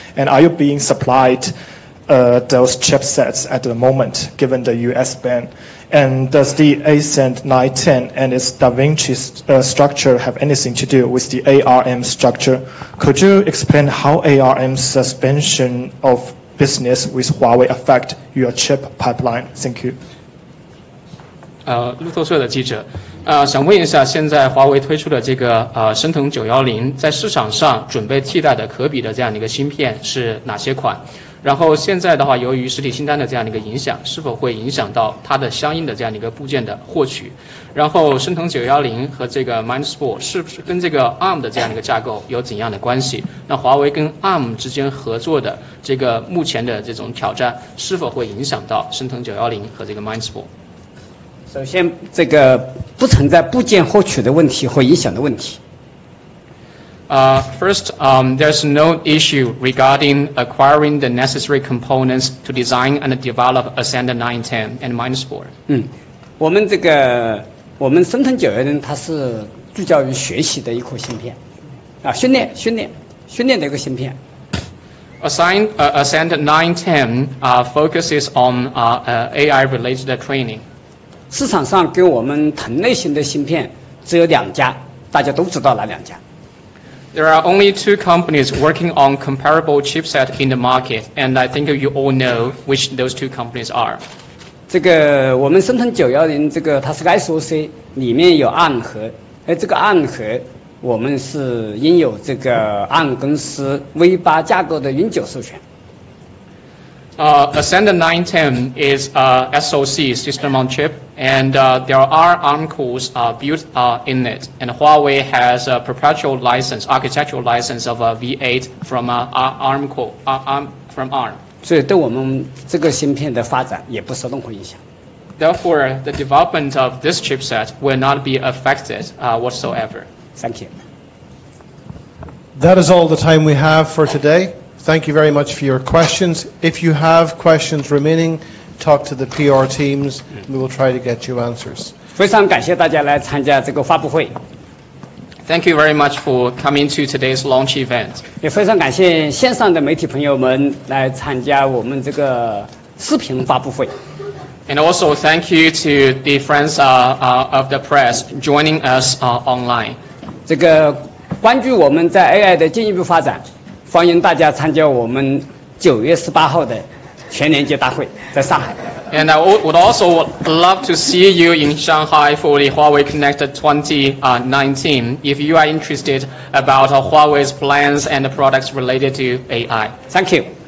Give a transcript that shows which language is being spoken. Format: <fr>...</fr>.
<en>And are you being supplied those chipsets at the moment, given the US ban? And does the ASINT 910 and its DaVinci structure have anything to do with the ARM structure? Could you explain how ARM's suspension of business with Huawei affect your chip pipeline? Thank you.</en> <zh>路透社的记者，想问一下，现在华为推出的这个升腾910在市场上准备替代的可比的这样的一个芯片是哪些款？然后现在的话，由于实体清单的这样的一个影响，是否会影响到它的相应的这样的一个部件的获取？然后升腾910和这个 MindSpore 是不是跟这个 ARM 的这样的一个架构有怎样的关系？那华为跟 ARM 之间合作的这个目前的这种挑战，是否会影响到升腾910和这个 MindSpore？首先，这个不存在部件获取的问题或影响的问题。</zh> <en>First, there's no issue regarding acquiring the necessary components to design and develop Ascend 910 and MindSpore.</en> <zh>嗯，我们这个我们升腾910它是聚焦于学习的一颗芯片，啊，训练的一个芯片。</zh> <en>Ascend 910 focuses on AI related training.</en> <zh>市场上跟我们同类型的芯片只有两家，大家都知道哪两家。</zh> <en>There are only two companies working on comparable chipset in the market, and I think you all know which those two companies are.</en> <zh>这个我们升腾910，这个它是个 SoC， 里面有 ARM 核，而这个 ARM 核我们是拥有这个 ARM 公司 V8 架构的永久授权。</zh> <en>Ascend 910 is a SoC system on chip, and there are ARM cores built in it. And Huawei has a perpetual license, architectural license of a V8 from ARM core, from ARM.</en> <zh>所以对我们这个芯片的发展也不受任何影响。</zh> <en>Therefore, the development of this chipset will not be affected whatsoever. Thank you. That is all the time we have for today. Thank you very much for your questions. If you have questions remaining, talk to the PR teams. We will try to get you answers.</en> <zh>非常感谢大家来参加这个发布会。</zh> <en>Thank you very much for coming to today's launch event.</en> <zh>也非常感谢线上的媒体朋友们来参加我们这个视频发布会。</zh> <en>And also thank you to the friends of the press joining us online.</en> <zh>这个关注我们在 AI 的进一步发展。欢迎大家参加我们9月18号的全年级大会，在上海。</zh> <en>And I would also love to see you in Shanghai for the Huawei Connect 2019. If you are interested about Huawei's plans and products related to AI, thank you.</en>